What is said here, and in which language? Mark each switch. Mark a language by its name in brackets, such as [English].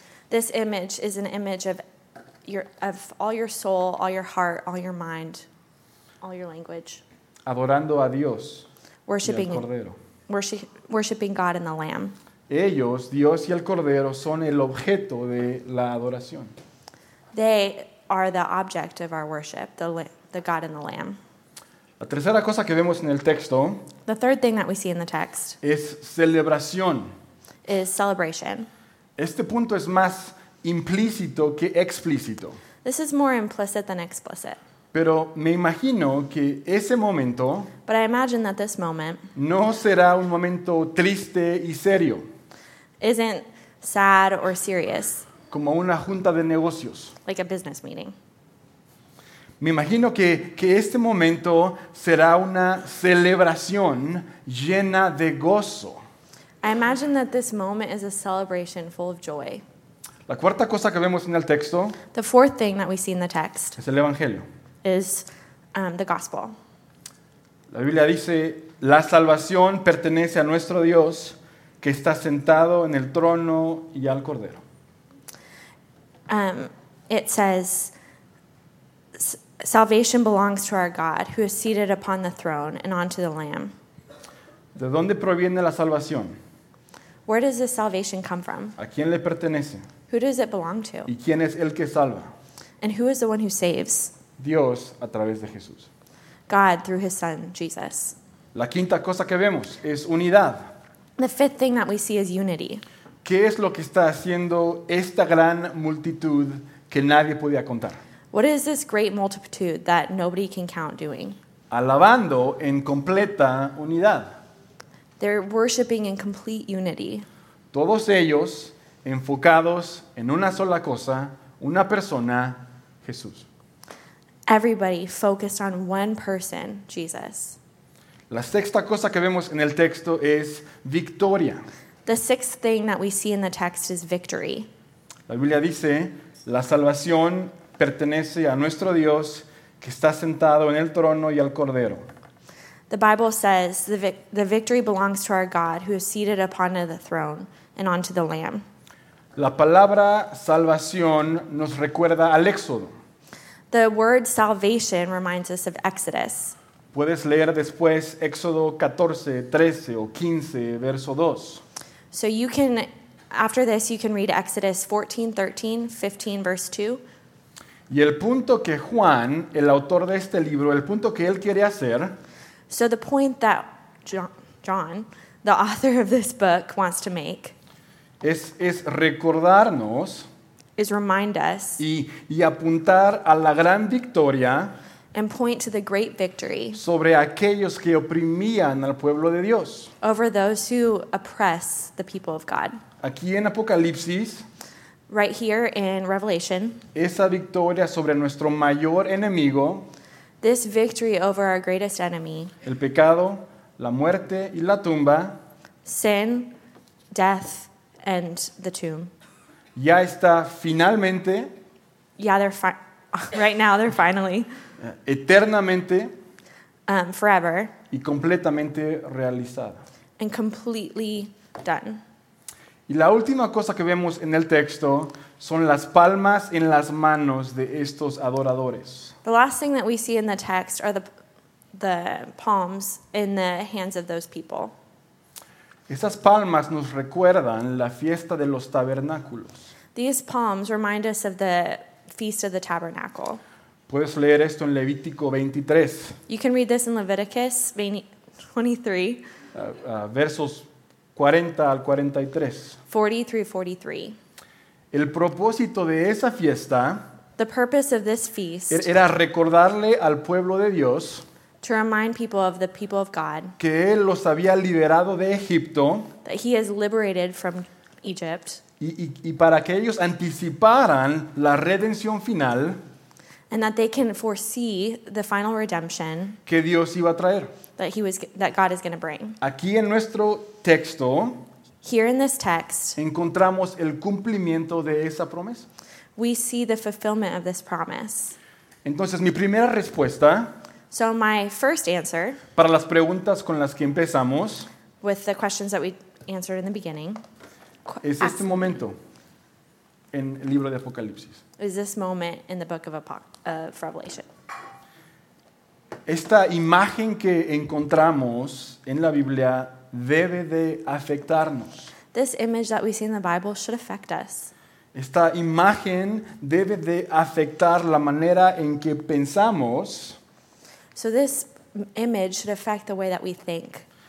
[English] This image is an image of all your soul, all your heart, all your mind, all your language. [Spanish] Adorando a Dios. [English] Worshiping [Spanish] y al Cordero. [English] Worshiping God and the Lamb. [Spanish] Ellos, Dios y el Cordero, son el objeto de la adoración. [English] They are the object of our worship, the God and the Lamb. [Spanish] La tercera cosa que vemos en el texto. [English] The third thing that we see in the text. [Spanish] Es celebración. [English] Is celebration. [Spanish] Este punto es más implícito que explícito. [English] This is more implicit than explicit. [Spanish] Pero me imagino que ese momento, [English] but I imagine that this moment, [Spanish] no será un momento triste y serio. [English] Isn't sad or serious. [Spanish] Como una junta de negocios. [English] Like a business meeting. [Spanish] Me imagino que este momento será una celebración llena de gozo. [English] I imagine that this moment is a celebration full of joy. [Spanish] La cuarta cosa que vemos en el texto, [English] the fourth thing that we see in the text, [Spanish] es el evangelio. [English] Is the gospel. [Spanish] La Biblia dice, la salvación pertenece a nuestro Dios que está sentado en el trono y al Cordero. [English] It says, salvation belongs to our God who is seated upon the throne and onto the Lamb. [Spanish] ¿De dónde proviene la salvación? [English] Where does this salvation come from? [Spanish] ¿A quién le pertenece? [English] Who does it belong to? [Spanish] ¿Y quién es el que salva? [English] And who is the one who saves? [Spanish] Dios a través de Jesús. [English] God through his son, Jesus. [Spanish] La quinta cosa que vemos es unidad. [English] The fifth thing that we see is unity. [Spanish] ¿Qué es lo que está haciendo esta gran multitud que nadie podía contar? [English] What is this great multitude that nobody can count doing? [Spanish] Alabando en completa unidad. [English] They're worshiping in complete unity. [Spanish] Todos ellos enfocados en una sola cosa, una persona, Jesús. [English] Everybody focused on one person, Jesus. [Spanish] La sexta cosa que vemos en el texto es victoria. [English] The sixth thing that we see in the text is victory. [Spanish] La Biblia dice, la salvación pertenece a nuestro Dios que está sentado en el trono y al Cordero. [English] The Bible says the victory belongs to our God who is seated upon the throne and onto the Lamb. [Spanish] La palabra salvación nos recuerda al Éxodo. [English] The word salvation reminds us of Exodus. [Spanish] Puedes leer después Éxodo 14, 13 o 15, verso 2. [English] So you can, after this, you can read Exodus 14, 13, 15, verse 2. [Spanish] Y el punto que Juan, el autor de este libro, el punto que él quiere hacer. [English] So the point that John, the author of this book, wants to make. [Spanish] Es recordarnos. [English] Is remind us. [Spanish] Y apuntar a la gran victoria. [English] And point to the great victory. [Spanish] Sobre aquellos que oprimían al pueblo de Dios. [English] Over those who oppress the people of God. [Spanish] Aquí en Apocalipsis. [English] Right here in Revelation. [Spanish] Esa victoria sobre nuestro mayor enemigo. [English] This victory over our greatest enemy. [Spanish] El pecado, la muerte y la tumba. [English] Sin, death, and the tomb. [Spanish] Ya está finalmente. [English] Yeah, they're right now they're finally. [Spanish] Eternamente. [English] Forever. [Spanish] Y completamente realizada. [English] And completely done. [Spanish] Y la última cosa que vemos en el texto son las palmas en las manos de estos adoradores. [English] The last thing that we see in the text are the palms in the hands of those people. [Spanish] Esas palmas nos recuerdan la fiesta de los tabernáculos. [English] These palms remind us of the Feast of the Tabernacle. [Spanish] Puedes leer esto en Levítico 23. [English] You can read this in Leviticus 23, [Spanish] versos 40 al 43. [English] 40-43. [Spanish] El propósito de esa fiesta. [English] The purpose of this feast. [Spanish] Era recordarle al pueblo de Dios. [English] To remind people of the people of God. [Spanish] Que él los había liberado de Egipto. [English] That he has liberated from Egypt. [Spanish] Y para que ellos anticiparan la redención final. [English] And that they can foresee the final redemption. [Spanish] Que Dios iba a traer. [English] That God is going to bring. [Spanish] Aquí en nuestro texto. [English] Here in this text. [Spanish] Encontramos el cumplimiento de esa promesa. [English] We see the fulfillment of this promise. [Spanish] Entonces mi primera respuesta. [English] So my first answer. [Spanish] Para las preguntas con las que empezamos. [English] With the questions that we answered in the beginning. [Spanish] Es este momento en el libro de Apocalipsis. [English] Is this moment in the book of Revelation. [Spanish] Esta imagen que encontramos en la Biblia debe de afectarnos. [English] This image that we see in the Bible should affect us. [Spanish] Esta imagen debe de afectar la manera en que pensamos. [English] So this image should affect the way that we think.